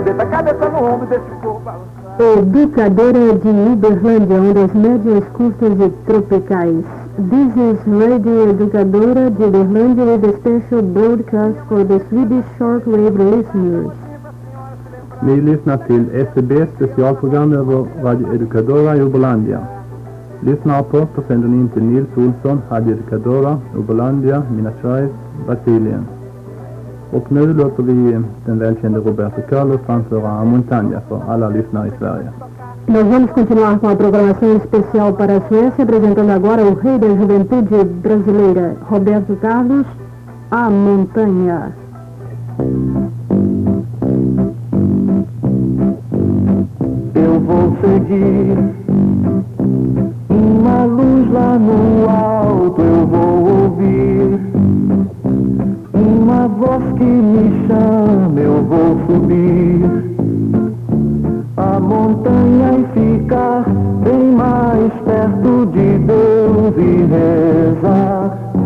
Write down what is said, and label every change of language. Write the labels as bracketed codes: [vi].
[pt] Deita a cabeça no ombro, deixa o corpo balançar. Educadora de Uberlândia, uma das médias curtas e tropicais. [en] This is Radio Educadora de Uberlândia with a special broadcast for the Swedish shortwave listeners. [sv] Ni lyssnar till SCB's specialprogram över Radio Educadora i Uberlândia. Lyssna på sändningen till Nils Olsson, Hadi Ricadora, Uberlândia, Minas Gerais, Brasilien. Och nu låter vi den välkända Roberto Carlos framföra A Montaña för alla lyssnare i Sverige. [pt] Nós vamos continuar com a programação especial para a Suécia, apresentando agora o rei da juventude brasileira, Roberto Carlos, A Montaña. Eu vou seguir uma luz lá no alto, eu vou ouvir uma voz que me chama, eu vou subir a montanha e ficar bem mais perto de Deus e rezar.